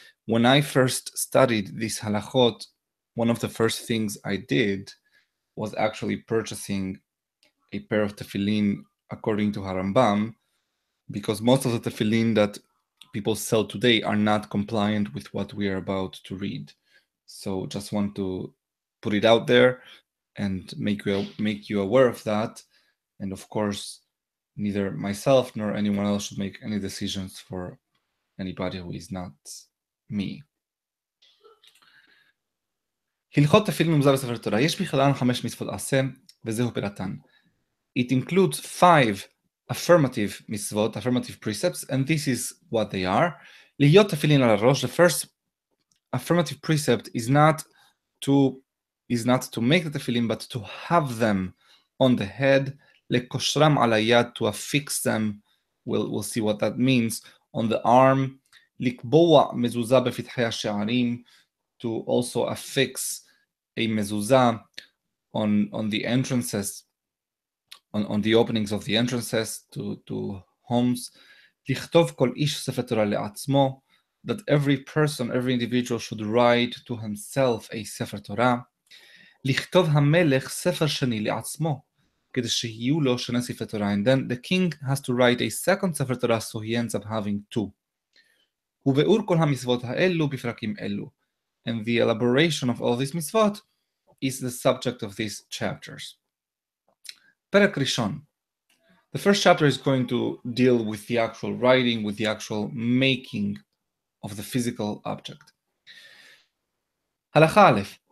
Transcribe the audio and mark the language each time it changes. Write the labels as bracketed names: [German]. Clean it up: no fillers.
[English] When I first studied this halachot, one of the first things I did was actually purchasing a pair of tefillin according to Harambam, because most of the tefillin that people sell today are not compliant with what we are about to read. So just want to put it out there and make you aware of that. And of course, neither myself nor anyone else should make any decisions for anybody who is not me. [Hebrew] הלכות תפילין מוזר בספר תורה. יש בכלל חמש מצוות עשה, וזהו פירתן. [English] It includes five affirmative מצוות, affirmative precepts, and this is what they are. [Hebrew] להיות תפילין על הראש, [English] the first affirmative precept is not to make the תפילין, but to have them on the head. [Hebrew] לקושרם על היד, [English] to affix them, we'll see what that means, on the arm. [Hebrew] לקבוע מזוזה בפתחי השערים, [English] to also affix a mezuzah on the entrances, on the openings of the entrances to homes. [Hebrew] לכתוב כל איש ספר תורה לעצמו, [English] that every person, every individual should write to himself a ספר תורה. [Hebrew] לכתוב המלך ספר שני לעצמו, כדי שיהיו לו שני ספר תורה. [English] And then the king has to write a second ספר תורה, so he ends up having two. [Hebrew] וביאור כל המצוות האלו בפרקים אלו. [English] And the elaboration of all these mitzvot is the subject of these chapters. Perek Rishon. The first chapter is going to deal with the actual writing, with the actual making of the physical object. Halacha Aleph.